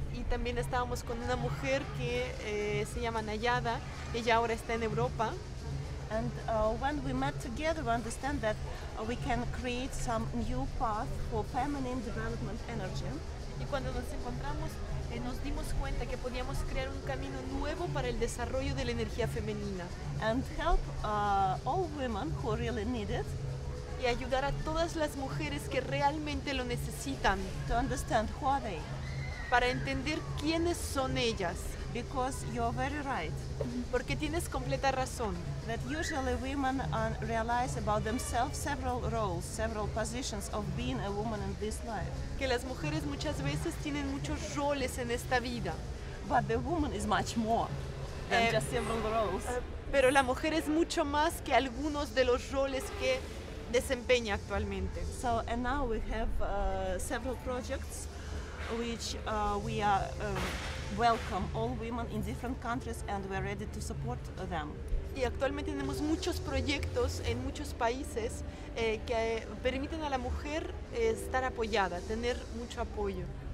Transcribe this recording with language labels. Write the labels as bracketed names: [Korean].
[Spanish] También estábamos con una mujer que se llama Nayada. Ella ahora está en Europa. [English] And when we met together, we understand that we can create some new path for feminine development energy. [Spanish] Y cuando nos encontramos, nos dimos cuenta que podíamos crear un camino nuevo para el desarrollo de la energía femenina. [English] And help all women who really need it. [Spanish] Y ayudar a todas las mujeres que realmente lo necesitan. [English] To understand who are they. [Spanish] Para entender quiénes son ellas. [English] Because you're very right. [Spanish] Porque tienes completa razón. [English] That usually women realize about themselves several roles, several positions of being a woman in this life. [Spanish] Que las mujeres muchas veces tienen muchos roles en esta vida. [English] but the woman is much more than just several roles. [Spanish] Pero la mujer es mucho más que algunos de los roles que desempeña actualmente. [English] So, and now we have several projects which we are welcome all women in different countries and we are ready to support them. [Spanish] Y actualmente tenemos muchos proyectos en muchos países que permiten a la mujer estar apoyada, tener mucho apoyo.